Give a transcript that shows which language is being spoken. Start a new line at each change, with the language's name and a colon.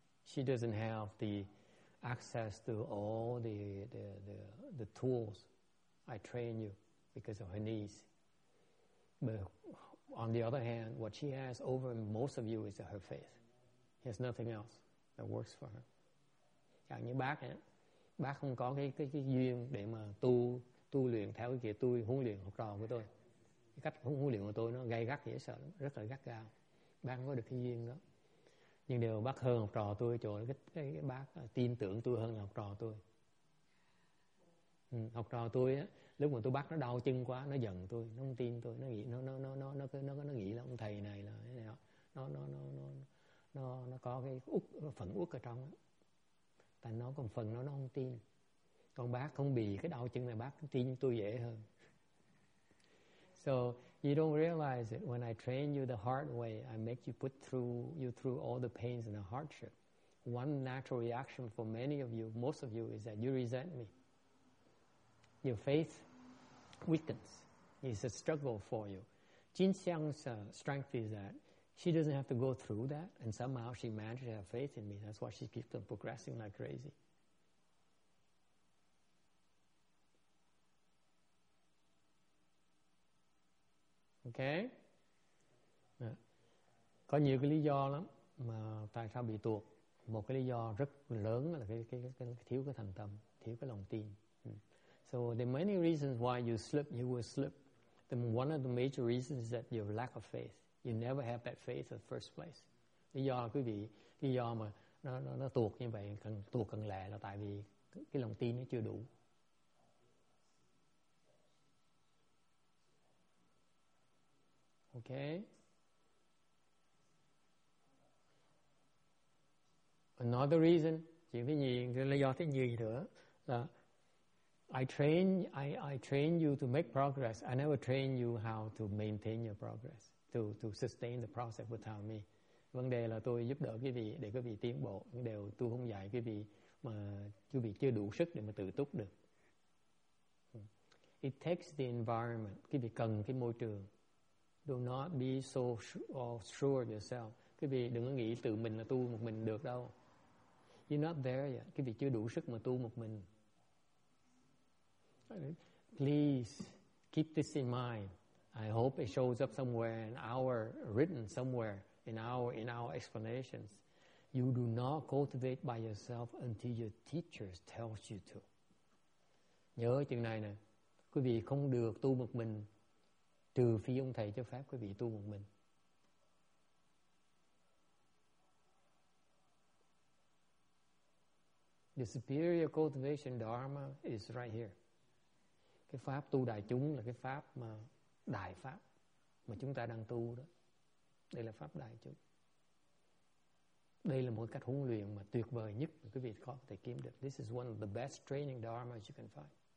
English: She doesn't have the access to all the tools I train you because of her knees. But on the other hand, what she has over most of you is her faith. She has nothing else that works for her.
Vietnamese: Chẳng như bác ấy, bác không có cái duyên để mà tu luyện theo cái kiểu tôi huấn luyện học trò của tôi. Cái cách huấn luyện của tôi nó gay gắt dễ sợ, rất là gắt gao. Bác không có được cái duyên đó. Nhưng điều bác hơn học trò tôi chỗ là cái bác tin tưởng tôi hơn là học trò tôi. Học trò tôi á, lúc mà tôi bắt nó đau chân quá, nó giận tôi, nó không tin tôi, nó nghĩ là ông thầy này là thế này đó. Nó có cái út, phần út ở trong đó. Tại nó còn phần nó không tin. Còn bác không bị cái đau chân này, bác tin tôi dễ hơn.
English: So you don't realize it when I train you the hard way, I make you put through all the pains and the hardship. One natural reaction for many of you, most of you, is that you resent me. Your faith weakens. It's a struggle for you. Jin Xiang's strength is that she doesn't have to go through that, and somehow she managed to have faith in me. That's why she keeps on progressing like crazy. Okay?
Vietnamese: Có nhiều cái lý do lắm mà tại sao bị tuột. Một cái lý do rất lớn là cái thiếu cái thành tâm, thiếu cái lòng tin.
English: So there are many reasons why you will slip. Then one of the major reasons is that you have lack of faith. You never have that faith in the first place.
Vietnamese: Lý do là quý vị, lý do mà nó tuột như vậy, cần lẹ là tại vì cái lòng tin nó chưa đủ.
English: Okay. Another reason, I train you to make progress. I never train you how to maintain your progress, to sustain the process without me.
Vietnamese: Vấn đề là tôi giúp đỡ quý vị để quý vị tiến bộ, nhưng đều tôi không dạy quý vị mà quý vị chưa đủ sức để mà tự túc được.
English: It takes the environment.
Vietnamese: Quý vị cần cái môi trường.
English: Do not be so sure of yourself.
Vietnamese: Quý vị đừng có nghĩ tự mình là tu một mình được đâu.
English: You're not there yet.
Vietnamese: Quý vị chưa đủ sức mà tu một mình.
English: Please keep this in mind. I hope it shows up somewhere in our written somewhere in our explanations. You do not cultivate by yourself until your teachers tells you to.
Vietnamese: Nhớ chừng này nè. Quý vị không được tu một mình trừ phi ông thầy cho phép quý vị tu một mình.
English: The superior cultivation dharma is right here.
Vietnamese: Cái pháp tu đại chúng là cái pháp mà đại pháp mà chúng ta đang tu đó. Đây là pháp đại chúng. Đây là một cách huấn luyện mà tuyệt vời nhất mà quý vị có thể kiếm được.
English: This is one of the best training dharma you can find.